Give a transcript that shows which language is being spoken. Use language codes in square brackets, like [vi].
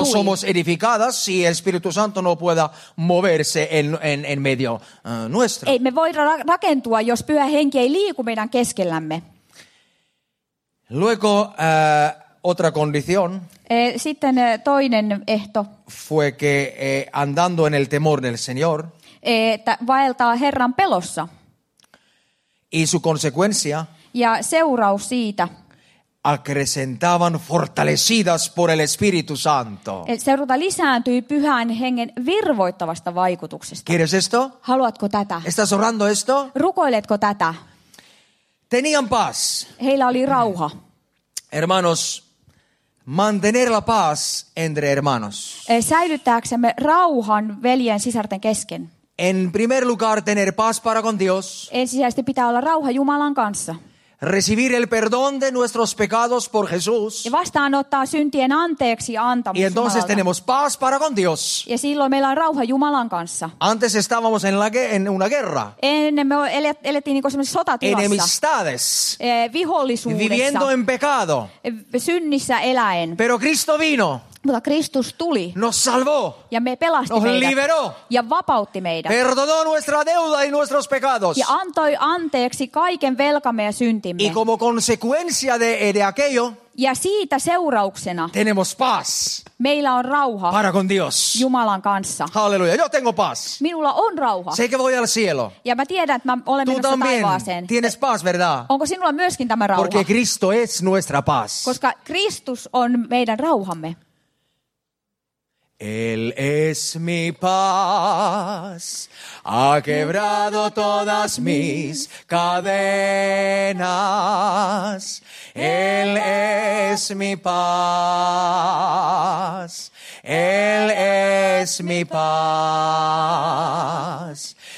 [es] No somos edificadas si el Espíritu Santo no pueda moverse en medio nuestro. [fi] Ei me voida rakentua, jos pyhä henki ei liiku meidän keskellämme. [es] Luego, otra condición. [fi] Sitten toinen ehto. [es] Fue que andando en el temor del Señor. [fi] Että vaeltaa Herran pelossa. [es] Y su consecuencia. [fi] Ja seuraus siitä. [es] Acrecentaban fortalecidas por el Espíritu Santo. [fi] Seurata lisääntyi pyhän hengen virvoittavasta vaikutuksesta. [es] ¿Quieres esto? [fi] Haluatko tätä? [es] ¿Estás orando esto? [fi] Rukoiletko tätä? [es] Tenían paz. [fi] Heillä oli rauha. [es] Hermanos, mantener la paz entre hermanos. [fi] Säilyttääksemme rauhan veljen sisarten kesken. [es] En primer lugar tener paz para con Dios. [fi] Ensisijaisesti pitää olla rauha Jumalan kanssa. [es] Recibir el perdón de nuestros pecados por Jesús. [fi] Ja vastaanottaa syntien anteeksi antamus. [es] Y entonces [fi] Jumalalta. [es] Tenemos paz para con Dios. [fi] Ja silloin meillä on rauha Jumalan kanssa. [es] Antes estábamos en una guerra. [fi] Ennen me elettiin niin kuin semmoisessa sotatilassa. [es] Enemistades. [fi] Vihollisuudessa. [es] Viviendo en pecado. [fi] Synnissä eläen. [es] Pero Cristo vino. [fi] Mutta Kristus tuli. [es] Nos salvó. [fi] Ja me pelasti [es] nos [fi] meidät. [es] Liberó. [fi] Ja vapautti meidät. [es] Perdonó nuestra deuda y nuestros pecados. [fi] Ja antoi anteeksi kaiken velkamme ja syntimme. [es] Y como consecuencia de aquello. [fi] Ja siitä seurauksena. [es] Tenemos paz. [fi] Meillä on rauha. [es] Para con Dios. [fi] Jumalan kanssa. [es] Aleluya. Yo tengo paz. [fi] Minulla on rauha. [es] Sé que voy al cielo. [fi] Ja mä tiedän, että mä olen [es] tú [fi] menossa [es] también [fi] taivaaseen. [es] Tienes paz, ¿verdad? [fi] Onko sinulla myöskin tämä rauha? [es] Porque Cristo es nuestra paz. [fi] Koska Kristus on meidän rauhamme. [es] Él es mi paz, ha quebrado todas mis cadenas. Él es mi paz, Él es mi paz.